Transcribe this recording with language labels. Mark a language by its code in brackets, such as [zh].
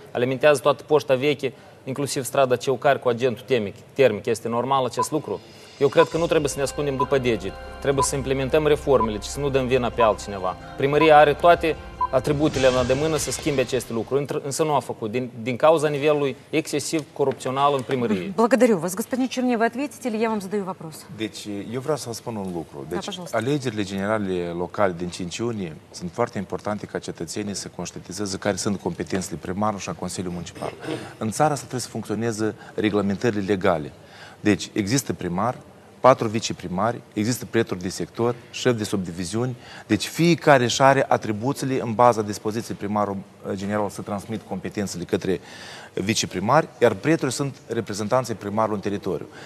[ro] Alimentează toată poșta veche, inclusiv strada Ceucari cu agentul termic. Este normal acest lucru? Eu cred că nu trebuie să ne ascundem după deget. Trebuie să implementăm reformele, ci să nu dăm vina pe altcineva. Primăria are toate atributele la îndemână să schimbe aceste lucruri, însă nu a făcut, din cauza nivelului excesiv corupțional în primărie. [ru] Благодарю вас, господин Черни, вы ответите или я вам задаю вопрос? [ro] Deci, eu vreau să vă spun un lucru. Deci, alegerile generale locale din 5 iunie sunt foarte importante ca cetățenii să conștientizeze care sunt competențele primarului și a Consiliului Municipal. În țara asta trebuie să funcționeze reglementările legale. Deci, există primar, 4 viceprimari, există prietori de sector, șef de subdiviziuni, deci fiecare își are atribuțiile în baza dispoziției primarul general să transmit competențele către viceprimari, iar prietorii sunt reprezentanții primarului în teritoriu.